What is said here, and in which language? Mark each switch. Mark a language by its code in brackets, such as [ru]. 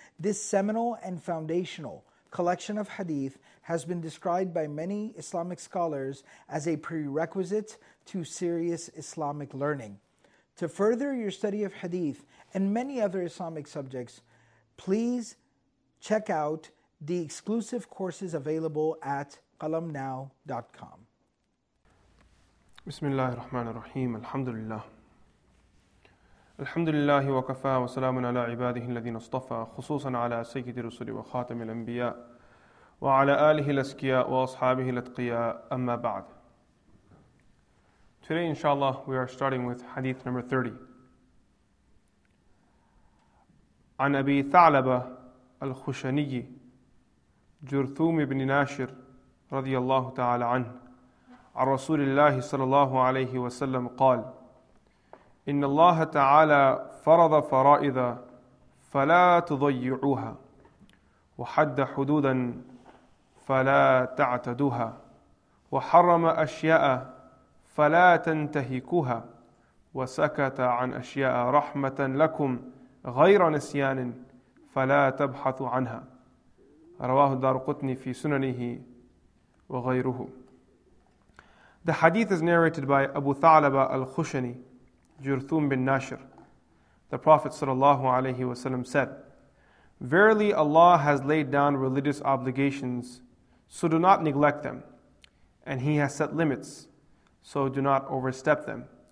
[en] This seminal and foundational collection of hadith has been described by many Islamic scholars as a prerequisite to serious Islamic learning. To further your study of hadith and many other Islamic subjects, please check out the exclusive courses available at qalamnow.com. [ar] بسم الله الرحمن الرحيم الحمد لله الحمد لله وكفى وسلام على عباده الذين اصطفى خصوصا على سيد الرسل وخاتم الأنبياء وعلى آله الأسكياء وأصحابه الأتقياء أما بعد. [en] Today inshallah we are starting with hadith number 30. [ar] عن أبي ثعلبة الخشني جرثوم بن ناشر رضي الله تعالى عنه عن رسول الله صلى الله عليه وسلم قال إن الله تعالى فرض فرائض فلا تضيعوها وحد حدودا فلا تعتدوها وحرم أشياء فلا تنتهكوها وسكت عن أشياء رحمة لكم غير نسيان فلا تبحثوا عنها رواه الدارقطني في سننه وغيره. [en] The hadith is narrated by Abu Thalaba al-Khushani, Jurthum bin Nashir. The Prophet sallallahu alayhi wa sallam said, "Verily Allah has laid down religious obligations, so do not neglect them. And He has set limits, so do not overstep them.